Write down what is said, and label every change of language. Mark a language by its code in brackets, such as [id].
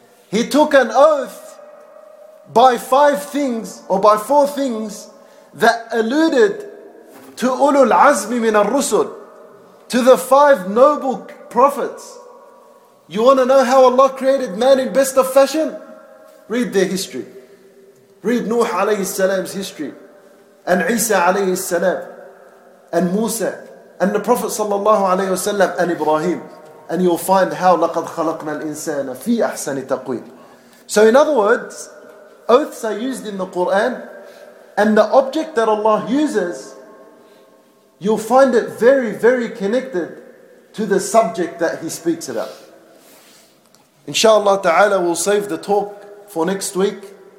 [en] He took an oath by five things or by four things that alluded to Ulul Azmi min al-Rusul, to the five noble prophets. You want to know how Allah created man in best of fashion? Read their history. Read Nuh alayhi salam's history, and Isa alayhi salam, and Musa, and the Prophet sallallahu alayhi wasallam, and Ibrahim. [ar] And you'll find how لَقَدْ خَلَقْنَا الْإِنسَانَ فِي أَحْسَنِ تَقْوِيمٍ. [en] So in other words, oaths are used in the Quran, and the object that Allah uses, you'll find it very, very connected to the subject that He speaks about. Inshallah ta'ala, we'll save the talk for next week.